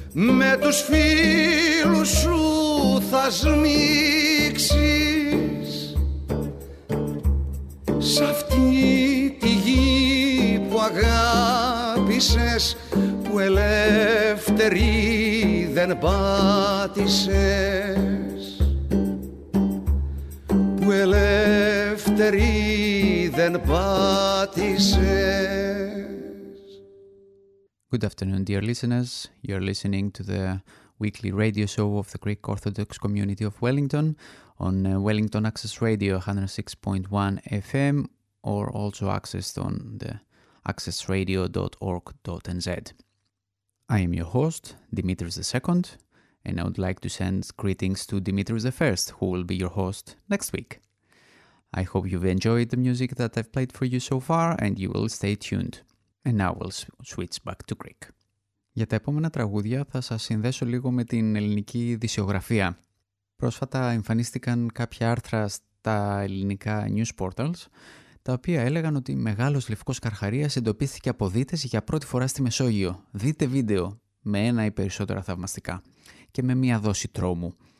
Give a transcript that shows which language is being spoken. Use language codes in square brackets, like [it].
[el] Με τους φίλους σου θα σμίξεις σ' αυτή τη γη που αγάπησες, που ελεύθερη δεν πάτησες, που ελεύθερη δεν πάτησες. [en] Good afternoon, dear listeners. You're listening to the weekly radio show of the Greek Orthodox Community of Wellington on Wellington Access Radio 106.1 FM, or also accessed on the accessradio.org.nz. I am your host, Dimitris II, and I would like to send greetings to Dimitris I, who will be your host next week. I hope you've enjoyed the music that I've played for you so far and you will stay tuned. And now we'll switch back to Greek. [el] Για τα επόμενα τραγούδια θα σας συνδέσω λίγο με την ελληνική δισιογραφία. Πρόσφατα εμφανίστηκαν κάποια άρθρα στα ελληνικά news portals, τα οποία έλεγαν ότι μεγάλος λευκός καρχαρίας εντοπίστηκε από δίτες για πρώτη φορά στη Μεσόγειο. Δείτε βίντεο, με ένα ή περισσότερα θαυμαστικά και με μία δόση τρόμου.